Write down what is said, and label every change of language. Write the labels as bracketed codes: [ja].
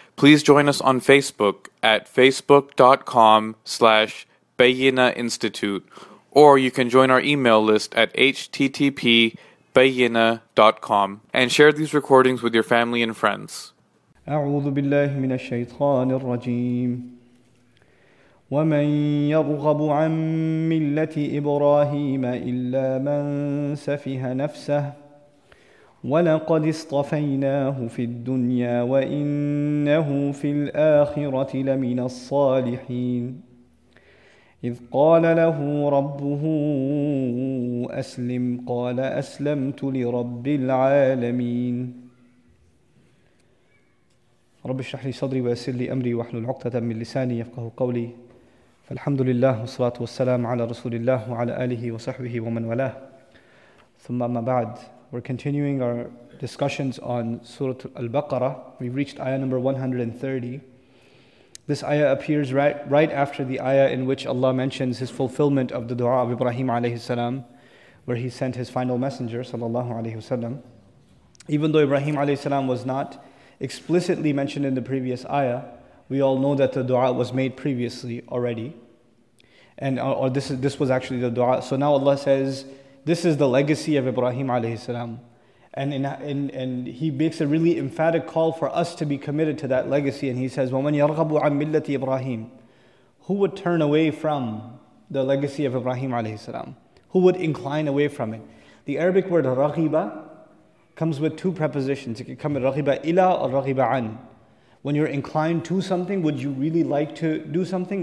[en] Please join us on Facebook at facebook.com/Beginner Institute, or you can join our email list at http://beginner.com and share these recordings with your family and friends. [ar] أعوذ بالله من الشيطان الرجيم. ومن يرغب عن ملة إبراهيم إلا من سفه نفسه ولقد اصطفيناه في الدنيا وإنه في الآخرة لمن الصالحين إذ قال له ربه أسلم قال أسلمت لرب العالمين رب اشرح لي صدري ويسر لي أمري واحلل عقدة من لساني يفقه قولي فالحمد لله والصلاة والسلام على رسول الله وعلى آله وصحبه ومن والاه ثم ما بعد. [en] We're continuing our discussions on Surah Al-Baqarah. We've reached ayah number 130. This ayah appears right after the ayah in which Allah mentions his fulfillment of the dua of Ibrahim alayhi salam, where he sent his final messenger sallallahu alayhi wasallam. Even though Ibrahim alayhi salam was not explicitly mentioned in the previous ayah, we all know that the dua was made previously already. And this was actually the dua. So now Allah says, this is the legacy of Ibrahim alayhi salam. And he makes a really emphatic call for us to be committed to that legacy. And he says, [ar] وَمَنْ يَرْغَبُ عَنْ مِلَّةِ إِبْرَاهِيمِ. [en] Who would turn away from the legacy of Ibrahim alayhi salam? Who would incline away from it? The Arabic word رَغِبَ comes with two prepositions. It can come with رَغِبَ إِلَى or رَغِبَ عَنْ. When you're inclined to something, would you really like to do something?